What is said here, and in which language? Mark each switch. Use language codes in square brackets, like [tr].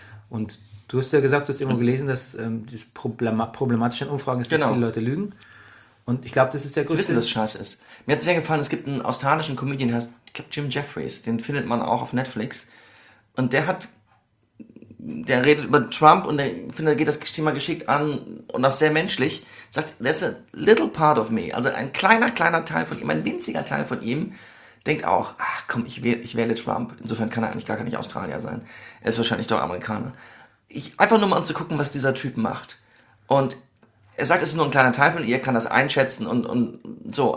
[de] Und du hast ja gesagt, du hast immer gelesen, dass das problematische an Umfragen ist, dass viele Leute lügen. Und ich glaube, das ist der größte. Sie wissen, dass es scheiße ist. Mir hat es sehr gefallen, es gibt einen australischen Comedian, der heißt Jim Jefferies, den findet man auch auf Netflix. Und der redet über Trump und der findet, geht das Thema geschickt an und auch sehr menschlich. Sagt, [en] that's a little part of me. [de] Also ein kleiner Teil von ihm, ein winziger Teil von ihm, denkt auch, ach komm, ich wähle Trump. Insofern kann er eigentlich gar nicht Australier sein. Er ist wahrscheinlich doch Amerikaner. Einfach nur mal um zu gucken, was dieser Typ macht. Und er sagt, es ist nur ein kleiner Teil von ihr, kann das einschätzen und so.